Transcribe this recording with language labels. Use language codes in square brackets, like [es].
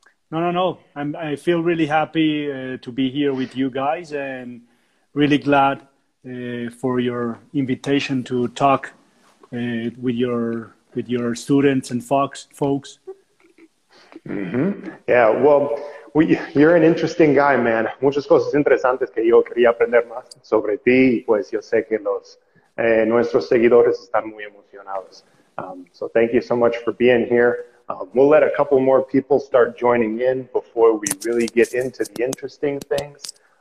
[en] No. I feel really happy to be here with you guys and really glad for your invitation to talk with your students and folks. Mm-hmm. Yeah, well, you're an interesting guy, man. [es] Muchas cosas interesantes que yo quería aprender más sobre ti. Pues yo sé que los nuestros seguidores están muy emocionados. [en] So thank you so much for being here. We'll let a couple more people start joining in before we really get into the interesting things.